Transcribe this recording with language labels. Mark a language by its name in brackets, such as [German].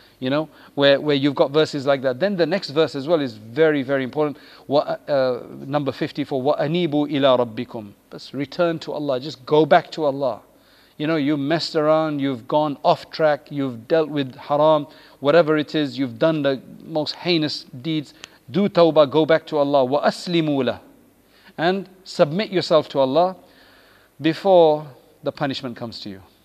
[English] You know, where you've got verses like that. Then the next verse as well is very, very important. Number 54, [Arabic] وَأَنِيبُ إِلَىٰ رَبِّكُمْ. [English] Just return to Allah, just go back to Allah. You know, you messed around, you've gone off track, you've dealt with haram, whatever it is, you've done the most heinous deeds. Do tawbah, go back to Allah. [Arabic] وَأَسْلِمُوا لَهُ. [English] And submit yourself to Allah before the punishment comes to you.